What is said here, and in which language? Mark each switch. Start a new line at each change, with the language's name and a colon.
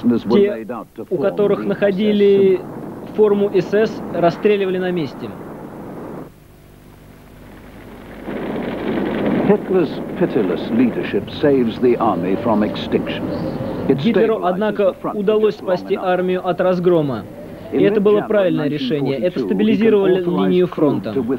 Russian: Те, у которых находили форму СС, расстреливали на месте.
English: Hitler's pitiless leadership saves the army from extinction.
Russian: Гитлеру, однако, удалось спасти армию от разгрома. И это было правильное решение. Это стабилизировало линию фронта.